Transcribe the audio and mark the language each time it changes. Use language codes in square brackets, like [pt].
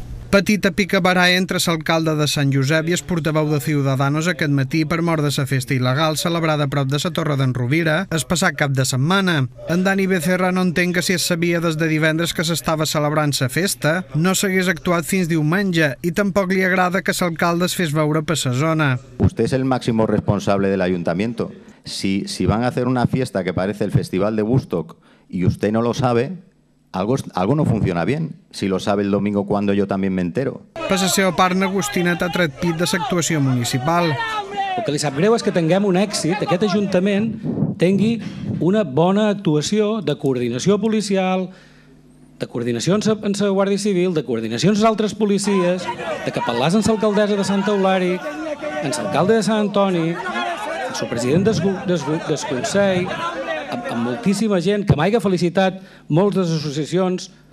[ca] Petita picabarà entre l'alcalde de Sant Josep i el portaveu de Ciudadanos aquest matí per mort de la festa il·legal celebrada a prop de la Torre d'en Rovira es passà cap de setmana. En Dani Becerra no entén que si es sabia des de divendres que s'estava celebrant la festa, no s'hagués actuat fins diumenge i tampoc li agrada que l'alcalde es fes veure per la zona. [es] Usted es el máximo responsable de l'ayuntamiento. Si van a hacer una fiesta que parece el Festival de Woodstock y usted no lo sabe, algo no funciona bien. Si lo sabe el domingo, cuando yo también me entero. [ca] Per la seva part, n'Agustinet ha tret pit de l'actuació municipal. El que li sap greu és que tinguem un èxit, aquest ajuntament tingui una bona actuació de coordinació policial, de coordinació amb la Guàrdia Civil, de coordinació amb les altres policies, de capel·làs amb l'alcaldessa de Sant Eulari, amb l'alcalde de Sant Antoni, amb el president del Consell, amb moltíssima gent que m'haiga felicitat, moltes de les associacions.